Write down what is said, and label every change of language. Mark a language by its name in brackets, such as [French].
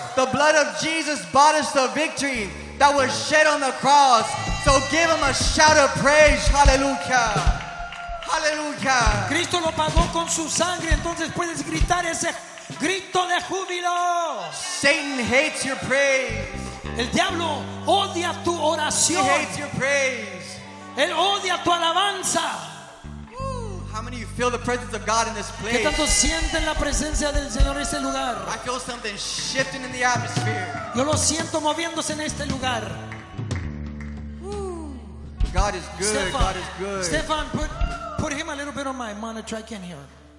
[English] The blood of Jesus bought us the victory that was shed on the cross. So give him a shout of praise. Hallelujah. Hallelujah. [Spanish] Cristo lo pagó con su sangre, entonces puedes gritar ese grito de júbilo. [English] Satan hates your praise. [Spanish] El diablo odia tu oración. [English] He hates your praise. [Spanish] Él odia tu alabanza. [English] How many of you feel the presence of God in this place? [Spanish] ¿Qué tanto sienten la presencia del Señor en este lugar? [English] I feel something shifting in the atmosphere. [Spanish] Yo lo siento moviéndose en este lugar. [English] God is good. Stefan, God is good. Stefan, put him a little bit on my monitor. I can't hear him.